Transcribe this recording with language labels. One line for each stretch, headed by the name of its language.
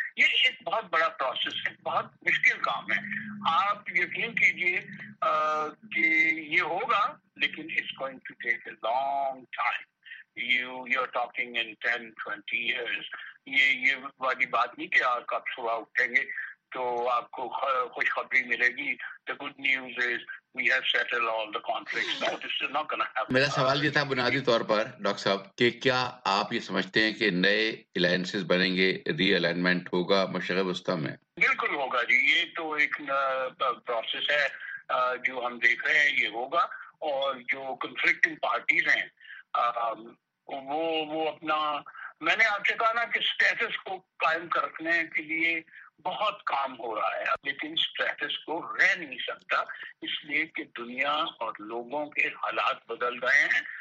Urdu: یہ ایک بہت بڑا پروسیس ہے، بہت مشکل کام ہے. آپ یقین کیجئے کہ یہ ہوگا لیکن
English: It's going to take a long time. You are talking in 10-20 years.
Urdu: یہ والی بات نہیں کہ آپ صبح اٹھیں گے تو آپ کو خوشخبری ملے گی.
English: The good news is we have settle all the conflicts. No this is not gonna happen.
Urdu: میرا سوال یہ تھا بنیادی طور پر ڈاکٹر صاحب کہ کیا آپ یہ سمجھتے ہیں کہ نئے الائنسز بنیں گے، ری الائنمنٹ ہوگا مشرق وسطی میں؟ بالکل ہوگا جی. یہ تو ایک پروسیس ہے جو ہم دیکھ رہے ہیں، یہ ہوگا. اور جو کنفلکٹنگ پارٹیز ہیں وہ اپنا، میں نے آپ سے کہا نا کہ اسٹیٹس کو قائم کرنے کے لیے بہت کام ہو رہا ہے، لیکن اسٹیٹس کو رہ نہیں سکتا، اس لیے کہ دنیا اور لوگوں کے حالات بدل گئے ہیں.